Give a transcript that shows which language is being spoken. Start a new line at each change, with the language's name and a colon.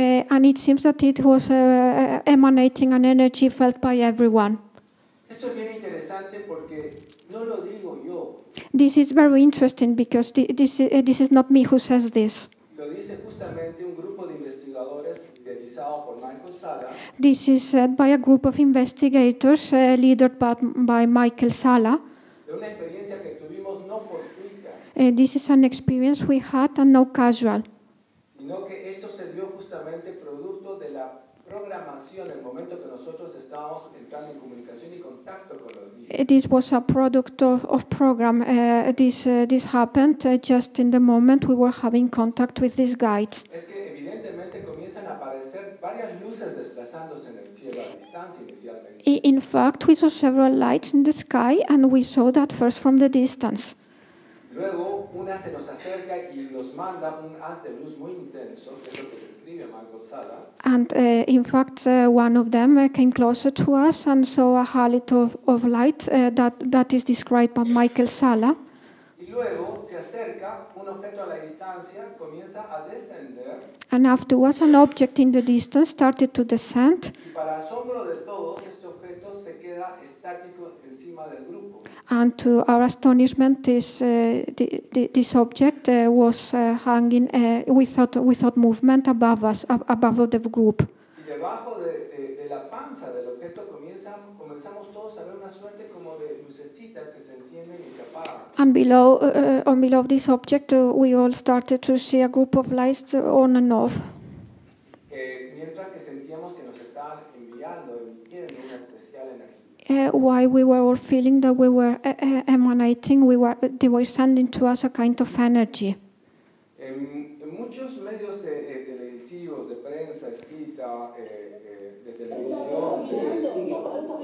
English: And it seems that it was emanating an energy felt by everyone.
Spanish: Esto es bien interesante porque no lo digo yo.
English: This is very interesting because this is not me who says this.
Spanish: Lo dice justamente un grupo de investigadores liderizado por Michael Sala.
English: This is said by a group of investigators leaded by Michael Sala.
Spanish: De una experiencia que tuvimos no fortuita.
English: This is an experience we had and no casual.
Spanish: Sino que esto se dio justamente producto de la programación en el momento que nosotros estábamos entrando en comunicación y contacto con los niños.
English: This was a product of program. This happened just in the moment we were having contact with these guides.
Spanish: Es que evidentemente comienzan a aparecer varias luces desplazándose en el cielo a distancia inicialmente.
English: In fact, we saw several lights in the sky and we saw that first from the distance.
Spanish: Luego, una se nos acerca y nos manda un haz de luz muy intenso, que es lo que describe Michael Sala.
English: And in fact, one of them came closer to us and saw a halet of light that is described by Michael Sala.
Spanish: Y luego, se acerca un objeto a la distancia, comienza a descender.
English: And afterwards, an object in the distance started to descend.
Spanish: Y para asombro de todos, este objeto se queda estático encima del grupo.
English: And to our astonishment, this object was hanging without movement above us, above the group.
Spanish: Y debajo de la panza del objeto comenzamos todos a ver una suerte como de lucecitas que se encienden y se apagan.
English: And below, on below this object, we all started to see a group of lights on and off.
Spanish: Mientras que sentíamos que nos estaban enviando, emitiendo una especial energía.
English: Why we were all feeling that we were emanating, they were sending to us a kind of energy.
Spanish: En muchos medios de televisivos, de prensa escrita, de televisión.